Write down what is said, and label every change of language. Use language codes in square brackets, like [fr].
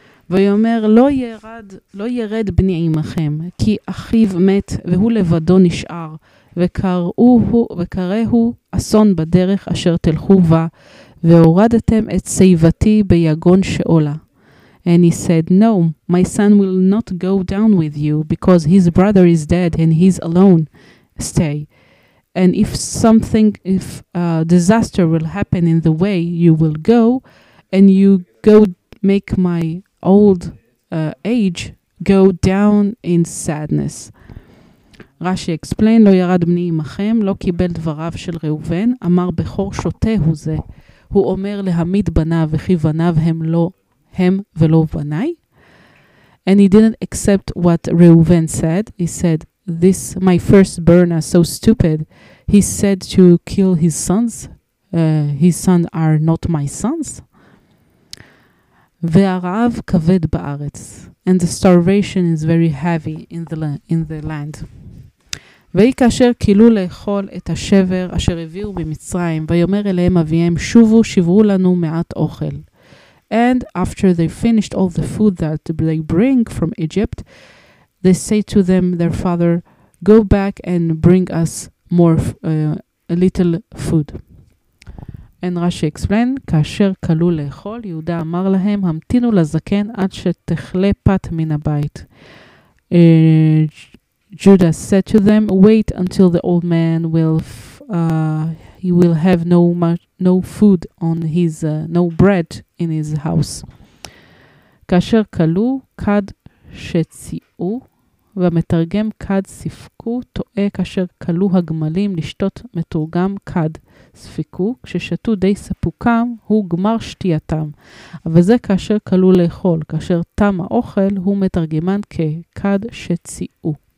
[he] ויאמר לא ירד בני עמכם כי אחיו מת והוא לבדו נשאר וקראו אסון בדרך אשר תלכו בה והורדתם את סיבתי ביגון שאולה. [en] And he said, no, my son will not go down with you because his brother is dead and he's alone. Stay. And if a disaster will happen in the way, you will go and you go make my old age go down in sadness. Rashi explained, [he] לא ירד בני עמכם, לא קיבל דבריו של ראובן, אמר בכור שוטה הוא זה. הוא אומר להמיד בניו וכי בניו הם לא הם ולא בני. [en] And he didn't accept what Reuven said. He said, this my first born is so stupid. He said to kill his sons. His sons are not my sons. [he] והרעב כבד בארץ. [en] And the starvation is very heavy in the land. [he] ויהי כאשר כילו לאכול את השבר אשר הביאו במצרים, ויאמר אליהם אביהם, שובו שברו לנו מעט אוכל. [en] And after they finished all the food that they bring from Egypt, they say to them, their father, go back and bring us a little food. And Rashi explained, [he] כאשר קלו לאכול, יהודה אמר להם, המתינו לזקן עד שתחלה פת מן הבית. [en] Judah said to them, wait until the old man will have no food on his no bread in his house. [he] כאשר קלו כד שציעו ומתרגם כד ספקו טועה כאשר קלו הגמלים לשתות מתורגם כד ספקו כששתו די ספוקם הוא גמר שתייתם אבל זה כאשר קלו לאכול כאשר תם האוכל הוא מתרגמן ככד שציעו.